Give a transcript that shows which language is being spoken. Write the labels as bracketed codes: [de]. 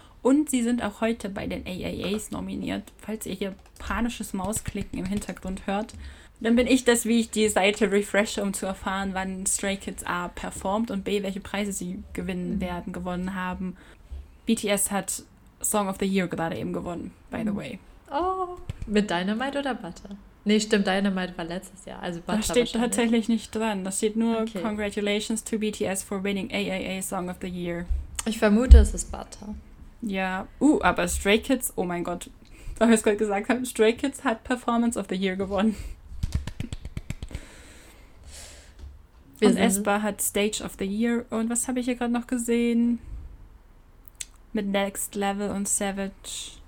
[de] Und sie sind auch heute bei den AAAs nominiert. Falls ihr hier panisches Mausklicken im Hintergrund hört, dann bin ich das, wie ich die Seite refreshe, um zu erfahren, wann Stray Kids A performt und B, welche Preise sie gewinnen werden, gewonnen haben. BTS hat Song of the Year gerade eben gewonnen, [en] by the way. [de] Oh, mit Dynamite oder Butter? Nee, stimmt, Dynamite war letztes Jahr, also Da Butter steht wahrscheinlich. tatsächlich nicht dran. Da steht nur Okay. [en] Congratulations to BTS for winning AAA Song of the Year. [de] Ich vermute, es ist Butter. Ja, aber Stray Kids, oh mein Gott, weil wir es gerade gesagt haben, Stray Kids hat Performance of the Year gewonnen. Wir Und sind. aespa hat Stage of the Year. Und was habe ich hier gerade noch gesehen? Mit Next Level und Savage.